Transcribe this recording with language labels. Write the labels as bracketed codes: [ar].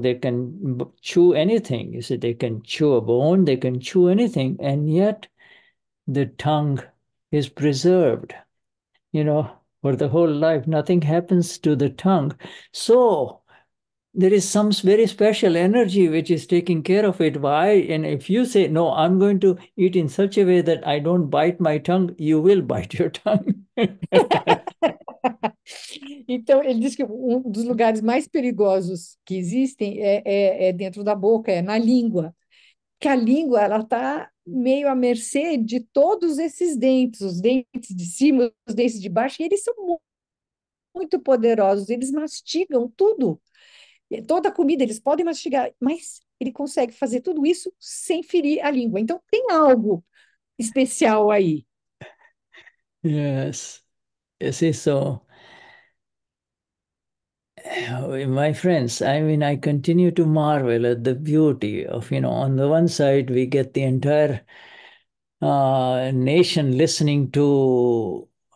[en] They can chew anything. You see, they can chew a bone, they can chew anything, and yet the tongue is preserved, for the whole life. Nothing happens to the tongue. So there is some very special energy which is taking care of it. Why? And if you say, no, I'm going to eat in such a way that I don't bite my tongue, you will bite your tongue. [pt] Então, ele diz que um dos lugares mais perigosos que existem é dentro da boca, é na língua. Que a língua, ela tá meio à mercê de todos esses dentes, os dentes de cima, os dentes de baixo, e eles são muito poderosos, eles mastigam tudo. Toda a comida eles podem mastigar, mas ele consegue fazer tudo isso sem ferir a língua. Então, tem algo especial aí. [en] Yes, you see, so my friends, I continue to marvel at the beauty of, on the one side, we get the entire nation listening to